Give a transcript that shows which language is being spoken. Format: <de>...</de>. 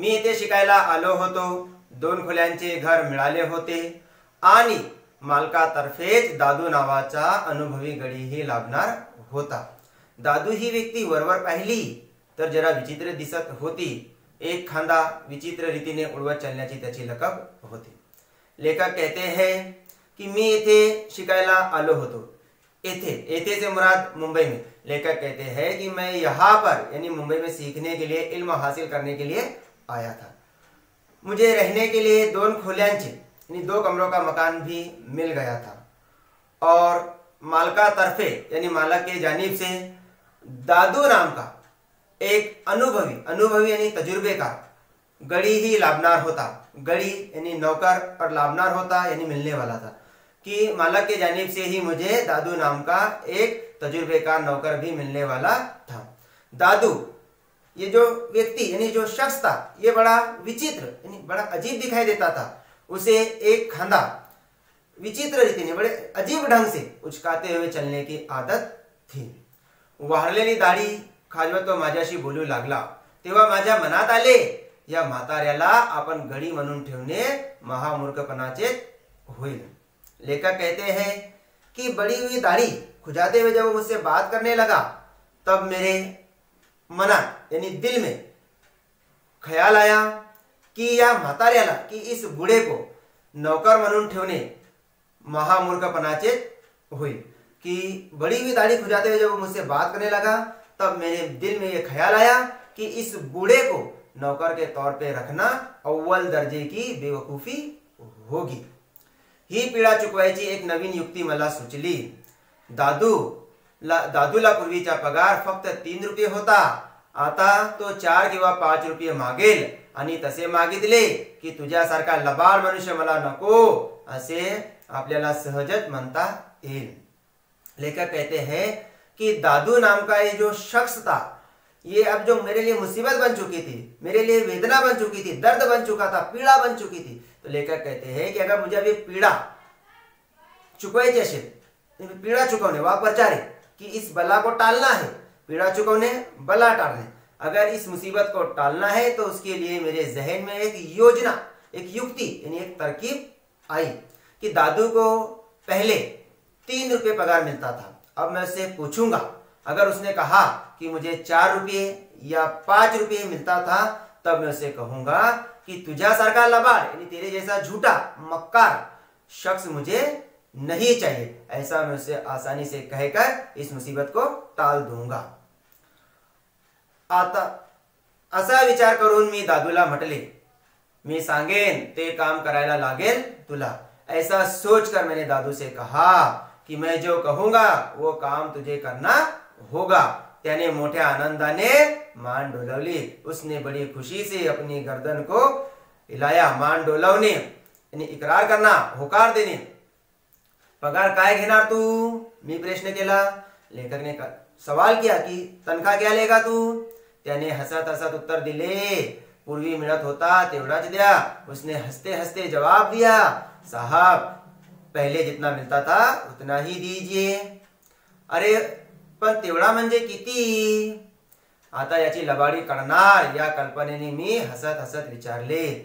<mr>मी इथे शिकायला आलो होतो, दोन खोल्यांचे घर मिळाले होते आणि मालकातर्फेच दादू नावाचा अनुभवी गडीही लाभणार होता। दादू ही व्यक्ती वरवर पाहिली तर जरा विचित्र दिसत होती, एक खांदा विचित्र रीतीने उडवत चालण्याची त्याची लकब होती।</mr> <hi>लेखक कहते हैं कि</hi> <mr>मी इथे शिकायला आलो होतो,</mr> <hi>इथे से मुराद मुंबई में। लेखक कहते हैं कि मैं यहाँ पर यानी मुंबई में सीखने के लिए, इल्म हासिल करने के लिए आया था। मुझे रहने के लिए</hi> <mr>दोन खोल्यांचे</mr> <hi>यानी दो कमरों का मकान भी मिल गया था और मालका तरफे यानी मालक के जानिब से दादू नाम का एक अनुभवी यानी तजुर्बे का गड़ी ही</hi> <mr>लाभनार होता।</mr> <hi>गड़ी यानी नौकर और लाभनार होता यानी मिलने वाला था कि मालक के जानिब से ही मुझे दादू नाम का एक तजुर्बे का नौकर भी मिलने वाला था। दादू ये जो व्यक्ति यानी जो शख्स था ये बड़ा विचित्र यानी बड़ा अजीब दिखाई देता था। उसे एक खांदा विचित्र रीति ने बड़े अजीब ढंग से उचकाते हुए चलने की आदत थी।</hi> <mr>वाहरलेली दाढ़ी खाजवत तो माझ्याशी बोलू लागला, तेव्हा माझ्या मनात आले या म्हाताऱ्याला आपण घडी म्हणून ठेवणे महामूर्खपणाचे होईल।</mr> <hi>लेखक कहते हैं कि बड़ी हुई दाढ़ी खुजाते हुए जब वो मुझसे बात करने लगा तब मेरे मना यानी दिल में ख्याल आया कि</hi> <mr>या म्हाताऱ्याला</mr> <hi>कि इस बूढ़े को नौकर</hi> <mr>म्हणून ठेवणे महामूर्खपणाचे होईल।</mr> <hi>कि बड़ी हुई दाढ़ी खुजाते हुए जब वो मुझसे बात करने लगा तब मेरे दिल में यह ख्याल आया कि इस बूढ़े को नौकर के तौर पे रखना अव्वल दर्जे की बेवकूफी होगी।</hi> <mr>ही पीड़ा चुकवायची एक नवीन युक्ति मला सुचली। दादूला पूर्वीचा पगार फक्त 3 रुपये होता, आता तो 4 किंवा 5 रुपये मागेल आणि तसे मागितले की तुझ्यासारखा लबाड मनुष्य मला नको असे आपल्याला सहजच म्हणता येईल।</mr> <hi>लेखक कहते हैं कि दादू नाम का ये जो शख्स था ये अब जो मेरे लिए मुसीबत बन चुकी थी, मेरे लिए वेदना बन चुकी थी, दर्द बन चुका था, पीड़ा बन चुकी थी। तो लेखक कहते हैं कि अगर मुझे अभी</hi> <mr>पीड़ा चुकवायची असेल,</mr> <hi>पीड़ा चुकवणे वा प्रचारे कि इस बला को टालना है, पीड़ा चुकवणे बला टालने, अगर इस मुसीबत को टालना है तो उसके लिए मेरे जहन में एक योजना एक युक्ति यानी एक तरकीब आई कि दादू को पहले 3 रुपये पगार मिलता था, अब मैं उससे पूछूंगा, अगर उसने कहा कि मुझे 4 रुपये या 5 रुपये मिलता था तब मैं उसे कहूंगा कि</hi> <mr>तुझा सरका लबार</mr> <hi>यानी तेरे जैसा झूठा मक्कार शख्स मुझे नहीं चाहिए, ऐसा मैं उसे आसानी से कहकर इस मुसीबत को टाल दूंगा।</hi> <mr>आता असा विचार करून मी दादूला म्हटले, मी सांगेन ते काम करायला लागेल तुला।</mr> <hi>ऐसा सोचकर मैंने दादू से कहा कि मैं जो कहूंगा वो काम तुझे करना होगा।</hi> <mr>त्याने मोठ्या आनंदाने मान डोलवली,</mr> <hi>उसने बड़ी खुशी से अपनी गर्दन को हिलाया।</hi> <mr>मान डोलवणे</mr> <hi>यानी इकरार करना, होकार देने।</hi> <mr>पगार काय घेणार तू, मी प्रश्न केला।</mr> <hi>लेखक ने सवाल किया कि तनखा क्या लेगा तू।</hi> <mr>त्याने हसत हसत उत्तर दिले, पूर्वी मिळत होता तेवढाच द्या।</mr> <hi>उसने हसते हसते जवाब दिया, साहब पहले जितना मिलता था उतना ही दीजिए।</hi> <mr>अरे पण तेवढा म्हणजे किती, आता याची लबाडी करणार, या कल्पनेने मी हसत हसत विचारले।</mr>